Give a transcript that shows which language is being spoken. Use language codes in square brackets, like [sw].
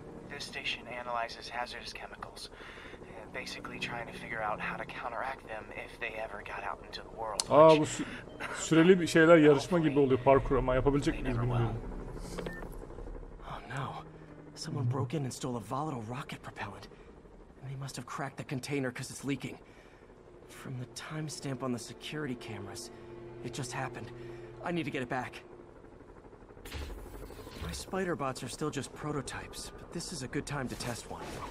[en] This station analyzes hazardous chemicals, basically trying to figure out how to counteract them if they ever got out into the world. [tr] Aa, bu süreli bir şeyler yarışma gibi oluyor, parkur, ama yapabilecek miyiz bunu? [en] Oh no. Someone broke in and stole a volatile rocket propellant. They must have cracked the container because it's leaking. From the timestamp on the security cameras, it just happened. I need to get it back. My spider bots are still just prototypes, but this is a good time to test one.